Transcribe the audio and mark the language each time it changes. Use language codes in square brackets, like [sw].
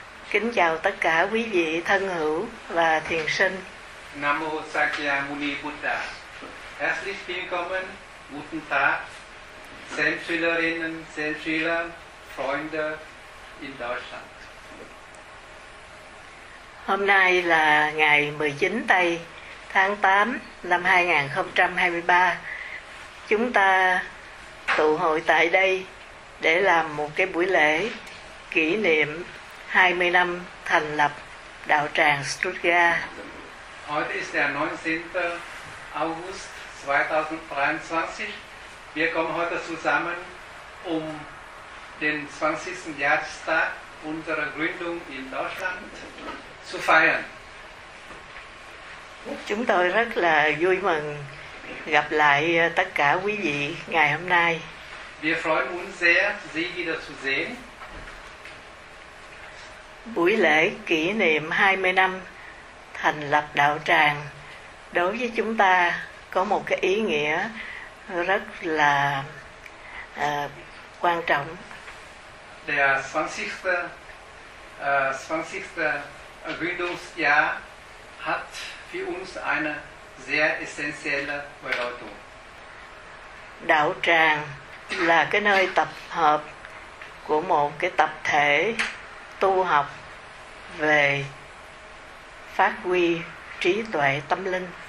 [vi] Kính chào tất cả quý vị thân hữu và thiền sinh. Nam mô Sakya Muni Buddha. [de] Herzlich willkommen, guten Tag. Sehr Schülerinnen, sehr Schüler, Freunde in Deutschland. [vi] Hôm nay là ngày 19 Tây tháng 8 năm 2023, chúng ta tụ hội tại đây để làm một cái buổi lễ kỷ niệm 20 năm thành lập đạo tràng Stuttgart. [de] Heute ist der 19. August 2023. Wir kommen heute zusammen um den 20. Jahrestag unserer Gründung in Deutschland zu feiern. [vi] Chúng tôi rất là vui mừng gặp lại tất cả quý vị ngày hôm nay. [de] Wir freuen uns sehr, Sie wieder zu sehen. [vi] Buổi lễ kỷ niệm 20 năm thành lập đạo tràng đối với chúng ta có một cái ý nghĩa rất là quan trọng. [de] Der 20. Gründungsjahr hat für uns eine sehr essentielle Bedeutung. [vi] Đạo tràng là cái nơi tập hợp của một cái tập thể tu học về phát huy trí tuệ tâm linh.